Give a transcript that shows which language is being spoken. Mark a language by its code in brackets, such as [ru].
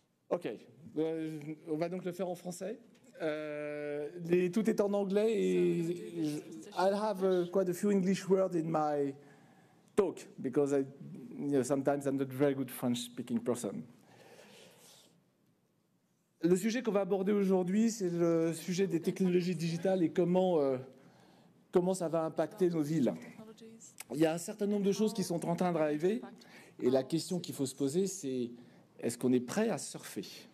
[fr] Ok, on va donc le faire en français. Tout est en anglais et [en] I'll have quite a few English words in my talk because I, you know, sometimes I'm not a very good French speaking person. [fr] Le sujet qu'on va aborder aujourd'hui, c'est le sujet des technologies digitales et comment, comment ça va impacter nos villes. Il y a un certain nombre de choses qui sont en train d'arriver et la question qu'il faut se poser, c'est est-ce qu'on est prêt à surfer?